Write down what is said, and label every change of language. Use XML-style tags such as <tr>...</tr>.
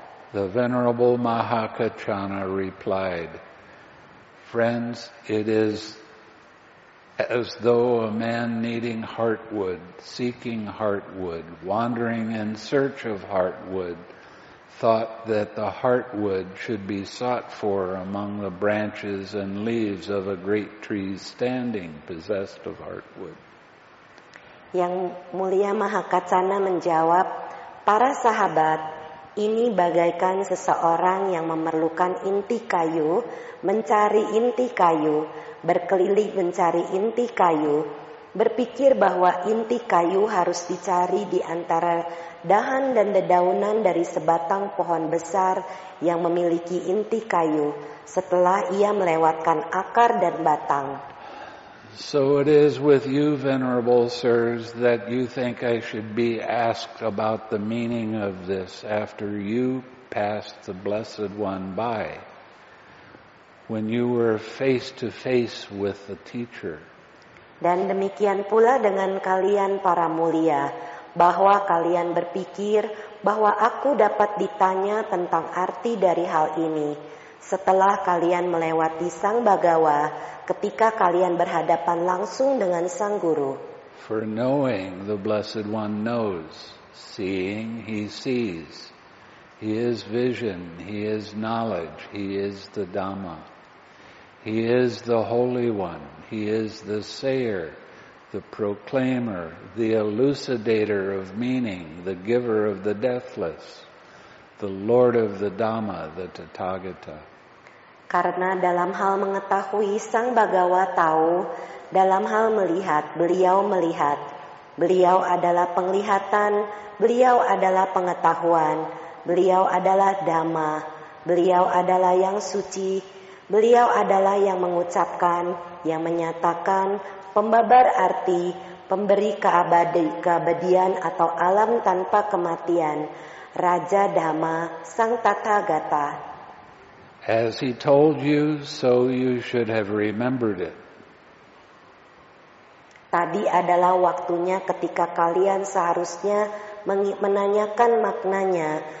<en>The venerable Mahakachana replied, friends, it is as though a man needing heartwood, seeking heartwood, wandering in search of heartwood, thought that the heartwood should be sought for among the branches and leaves of a great tree standing possessed of heartwood.</en> <id>Yang Mulia Mahakacana menjawab, para sahabat, ini bagaikan seseorang yang memerlukan inti kayu, mencari inti kayu, berkeliling mencari inti kayu, berpikir bahwa inti kayu harus dicari di antara dahan dan dedaunan dari sebatang pohon besar yang memiliki inti kayu setelah ia melewatkan akar dan batang.</id> <en>So it is with you, venerable sirs, that you think I should be asked about the meaning of this after you passed the Blessed One by. When you were face to face with the teacher.</en> <id>Dan demikian pula dengan kalian para mulia, bahwa kalian berpikir bahwa aku dapat ditanya tentang arti dari hal ini setelah kalian melewati Sang Bhagawa ketika kalian berhadapan langsung dengan Sang Guru.</id> <en>For knowing the Blessed One knows, seeing he sees. He is vision, he is knowledge, he is the Dhamma. He is the Holy One. He is the Sayer, the Proclaimer, the Elucidator of Meaning, the Giver of the Deathless, the Lord of the Dhamma, the Tathagata.</en> <id>Karena dalam hal mengetahui Sang Bhagava tahu, dalam hal melihat, beliau melihat. Beliau adalah penglihatan, beliau adalah pengetahuan, beliau adalah Dhamma, beliau adalah yang suci, beliau adalah yang mengucapkan, yang menyatakan, pembabar arti, pemberi keabadian atau alam tanpa kematian, Raja Dhamma, Sang Tathagata.</id> <en>As he told you, so you should have remembered it.</en> <id>Tadi adalah waktunya ketika kalian seharusnya menanyakan maknanya.</id>